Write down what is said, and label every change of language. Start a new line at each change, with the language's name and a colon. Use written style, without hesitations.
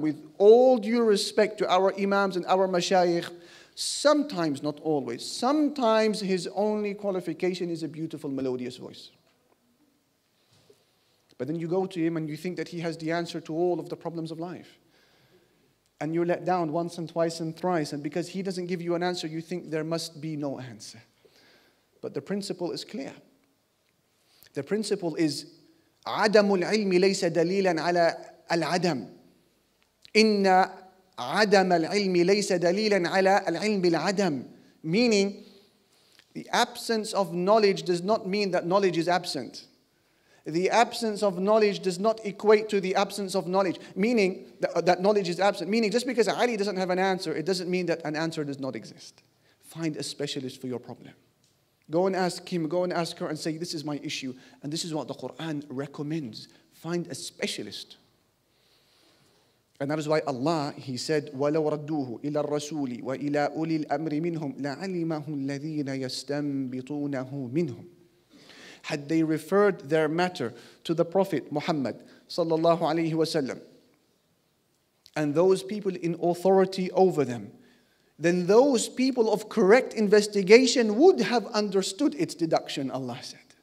English: With all due respect to our imams and our mashayikh, sometimes, not always, sometimes his only qualification is a beautiful, melodious voice. But then you go to him and you think that he has the answer to all of the problems of life. And you're let down once and twice and thrice. And because he doesn't give you an answer, you think there must be no answer. But the principle is clear. The principle is,
Arabic: عدم العلم ليس دليلا على العدم إن عدم العلم ليس دليلا على العلم العدم.
English: Meaning, the absence of knowledge does not mean that knowledge is absent. The absence of knowledge does not equate to the absence of knowledge, meaning that knowledge is absent. Meaning, just because Ali doesn't have an answer, it doesn't mean that an answer does not exist. Find a specialist for your problem. Go and ask him, go and ask her and say, this is my issue. And this is what the Quran recommends. Find a specialist. And that is why Allah, he said,
Arabic: وَلَوْ رَدُّوهُ إِلَى الرَّسُولِ وَإِلَىٰ أُولِي الْأَمْرِ مِنْهُمْ لَعَلِمَهُ الَّذِينَ يَسْتَنْبِطُونَهُ مِنْهُمْ.
English: Had they referred their matter to the Prophet Muhammad sallallahu alayhi wa sallam, and those people in authority over them, then those people of correct investigation would have understood its deduction, Allah said.